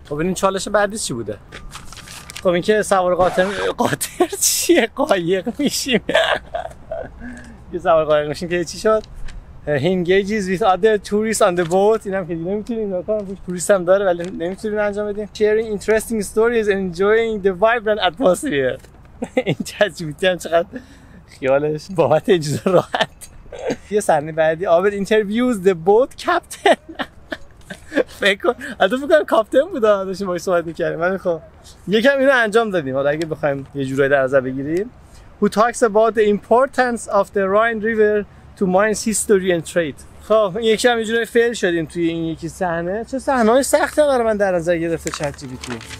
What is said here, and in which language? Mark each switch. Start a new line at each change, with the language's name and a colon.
Persian: خب ببینیم چالش بعدی چی بوده. خب اینکه سوار قاطر چیه قایق میشیم. یه سوار قایق میشیم که چی شد.
English: Engages with other tourists on the boat.
Persian: اینم که نمیتونیم نکنم، بوش توریست هم داره ولی نمیتونیم انجام بدیم.
English: Sharing interesting stories and enjoying the vibrant atmosphere.
Persian: این ChatGPT هم چقدر خیالش بابت اجزا راحت. یه صحنه بعدی
English: آبد interviews the boat captain.
Persian: فکر کن حتی فکر کنم کاپتن بود داشتیم باید صحبت میکردیم. ولی خب یکم اینو انجام دادیم. حالا اگه بخوایم یه جورایی در نظر بگیریم.
English: Who talks about the importance of the Rhine River to mine's history and trade.
Persian: خب این یکی هم اینجوری فیل شدیم توی این یکی صحنه. چه صحنه‌های سخته برای من در نظر گرفته ChatGPT.